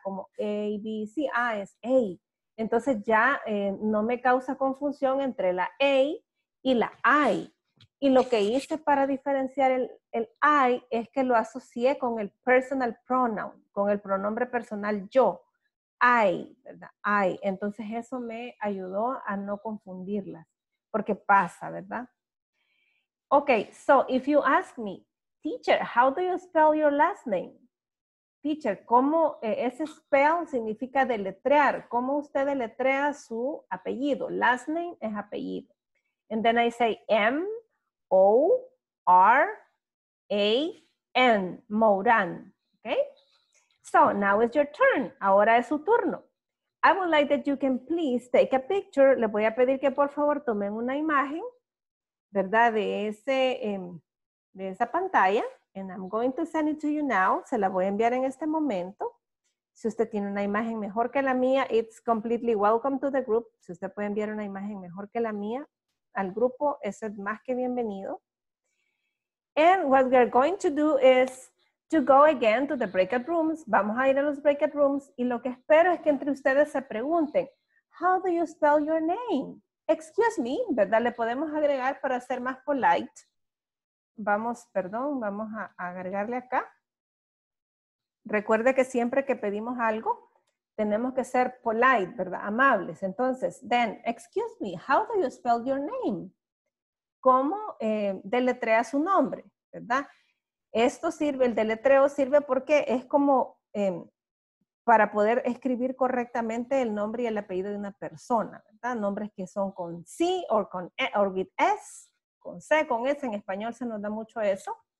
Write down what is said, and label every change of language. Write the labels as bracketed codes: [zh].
[es] Como A, B, C, A es A. Entonces ya no me causa confusión entre la A y la I. Y lo que hice para diferenciar el I es que lo asocié con el personal pronoun, con el pronombre personal yo, I, ¿verdad? I. Entonces eso me ayudó a no confundirlas, porque pasa, ¿verdad? [en] Ok, so if you ask me, teacher, how do you spell your last name? [es] Teacher, ¿cómo ese spell significa deletrear? ¿Cómo usted deletrea su apellido? Last name es apellido. [en] And then I say M. O, R, A, N, Moran, okay? So, now it's your turn. [es] Ahora es su turno. [en] I would like that you can please take a picture. [es] Le voy a pedir que por favor tomen una imagen, ¿verdad? De ese, de esa pantalla. [en] And I'm going to send it to you now. [es] Se la voy a enviar en este momento. Si usted tiene una imagen mejor que la mía, [en] it's completely welcome to the group. [es] Si usted puede enviar una imagen mejor que la mía al grupo, eso es más que bienvenido. [en] And what we are going to do is to go again to the breakout rooms. [es] Vamos a ir a los breakout rooms. Y lo que espero es que entre ustedes se pregunten, [en] how do you spell your name? Excuse me, [es] ¿verdad? Le podemos agregar para ser más polite. Vamos, perdón, vamos a agregarle acá. Recuerde que siempre que pedimos algo, tenemos que ser polite, ¿verdad? Amables. [en] Entonces, then, excuse me, how do you spell your name? [es] ¿Cómo deletrea su nombre? ¿Verdad? Esto sirve, el deletreo sirve porque es como para poder escribir correctamente el nombre y el apellido de una persona, ¿verdad? Nombres que son con C o con E o with S, con C, con S, en español se nos da mucho eso.